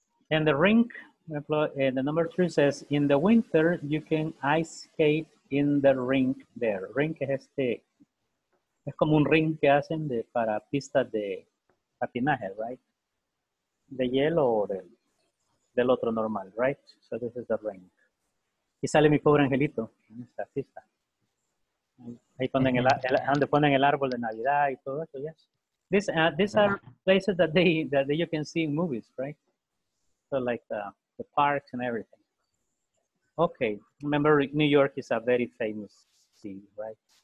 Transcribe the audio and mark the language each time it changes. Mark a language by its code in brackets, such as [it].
[en] And the rink, the number 3 says, in the winter, you can ice skate in the rink there. [es] Rink es es como un ring que hacen para pistas de patinaje, right? De hielo o del otro normal, right? [en] So this is the rink. [es] Y sale mi pobre angelito en esta pista. Ahí ponen el árbol de Navidad y todo eso, yes. [en] These are places that you can see in movies, right? So like the parks and everything. Okay, remember New York is a very famous city, right?